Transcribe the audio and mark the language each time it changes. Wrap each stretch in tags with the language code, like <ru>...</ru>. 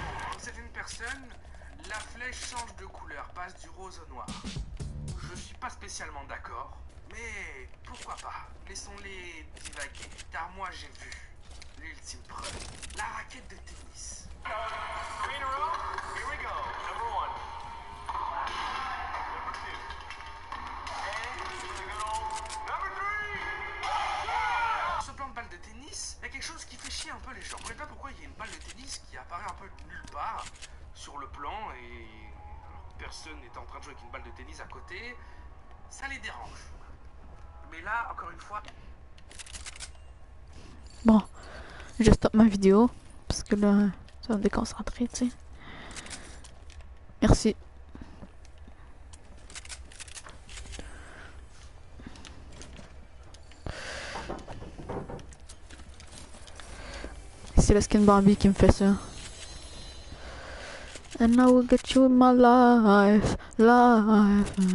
<fr>Pour certaines personnes, la flèche change de couleur, passe du rose au noir. Je suis pas spécialement d'accord. Mais pourquoi pas, laissons-les divaguer, car moi j'ai vu l'ultime preuve, la raquette de tennis.</fr> <en>Three in a row, here we go, number one. Number two. And here we go, number three.</en> <fr>Ce plan de balle de tennis, il y a quelque chose qui fait chier un peu les gens. Je ne sais pas pourquoi il y a une balle de tennis qui apparaît un peu de nulle part sur le plan et personne n'est en train de jouer avec une balle de tennis à côté, ça les dérange. Mais là, encore une fois... Bon, je stoppe ma vidéo, parce que là, ça me déconcentrer, tu sais. Merci. C'est la skin Bambi qui me fait ça.</fr> <en>And I will get you in my life, life.</en>